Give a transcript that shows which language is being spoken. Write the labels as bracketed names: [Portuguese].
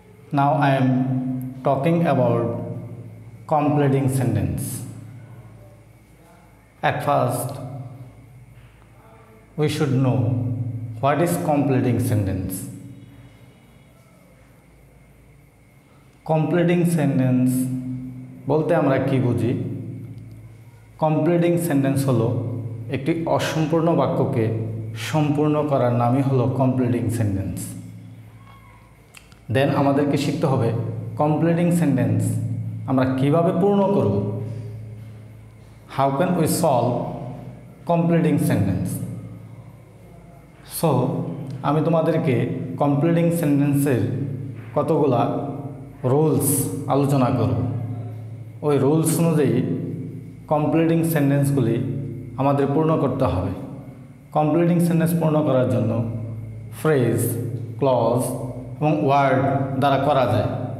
[English] Now I am talking about completing sentence. At first, we should know what is completing sentence. [Bangla] Completing sentence বলতে আমরা কি বুঝি? Completing sentence হলো একটি অসম্পূর্ণ বাক্যকে সম্পূর্ণ করার নামই হলো completing sentence. Then আমাদেরকে শিখতে হবে completing sentence আমরা কিভাবে পূর্ণ করব? [English] How can we solve completing sentence? [Bangla] So আমি তোমাদেরকে completing sentences কতগুলা rules আলোচনা করব. ওই রুলস অনুযায়ী কমপ্লিটিং সেন্টেন্সগুলি আমাদের পূর্ণ করতে হবে. কমপ্লিটিং সেন্টেন্স পূর্ণ করার জন্য ফ্রেজ, ক্লজ এবং ওয়ার্ড দ্বারা করা যায়.